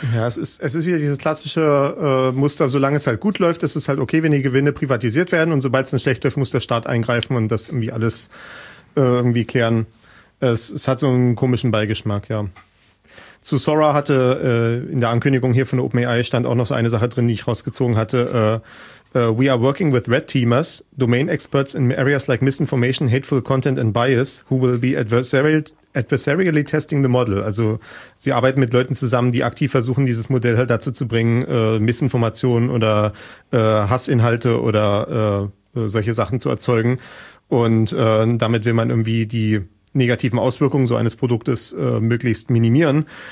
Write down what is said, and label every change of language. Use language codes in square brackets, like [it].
[de] Ja, es ist wieder dieses klassische Muster, solange es halt gut läuft, ist es halt okay, wenn die Gewinne privatisiert werden, und sobald es dann schlecht läuft, muss der Staat eingreifen und das irgendwie alles irgendwie klären. Es hat so einen komischen Beigeschmack, ja. Zu Sora hatte in der Ankündigung hier von der OpenAI stand auch noch so eine Sache drin, die ich rausgezogen hatte. [en] We are working with red teamers, domain experts in areas like misinformation, hateful content and bias, who will be adversarially testing the model. [de] Also sie arbeiten mit Leuten zusammen, die aktiv versuchen, dieses Modell halt dazu zu bringen, Missinformationen oder Hassinhalte oder solche Sachen zu erzeugen. Und damit will man irgendwie die negativen Auswirkungen so eines Produktes möglichst minimieren.